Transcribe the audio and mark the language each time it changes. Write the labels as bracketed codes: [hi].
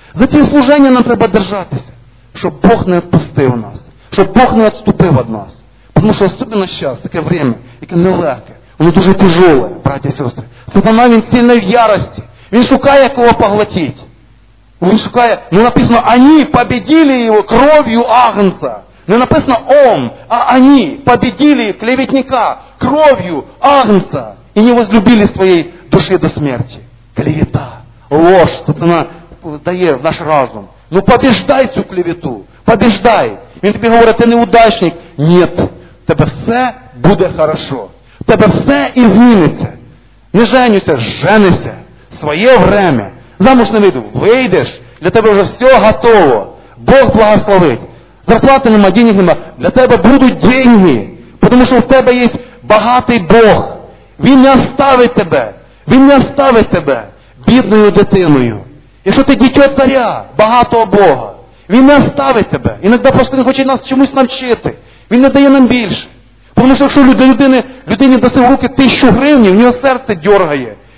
[uk] За ці служення нам треба держатися. Щоб Бог не відпустив нас. Щоб Бог не відступив від нас. Тому що особливо зараз, таке время, яке нелегке, воно дуже тяжеле, браті і сестри. Сатана, він сильно в ярості. Він шукає, кого поглотити. Він шукає, не написано, [ru] «Они победили его кров'ю Агнца». Не написано «Он», а «Они победили клеветника кров'ю Агнца». [uk] І не возлюбили своєї душі до смерті. Клевета, ложь, сатана дає в наш разум. Ну, побеждай цю клевету, побеждай. Він тобі говорить, ти неудачник. Ні, тебе все буде хорошо. Тебе все і зміниться. Не женюся, женися. Своє время. Замуж не вийду. Вийдеш. Для тебе вже все готово. Бог благословить. [ru] Зарплата нема, денег нема. Для тебе будут деньги. Потому что у тебя есть богатый Бог. [uk] Він не оставит тебе. Він не оставит тебе бідною дитиною. Якщо ти дитя царя, багатого Бога, він не оставит тебе. Іноді просто він хоче нас чомусь навчити. Він не дає нам більше. Тому що якщо людині дасив руки 1000 гривень, в нього серце дергає.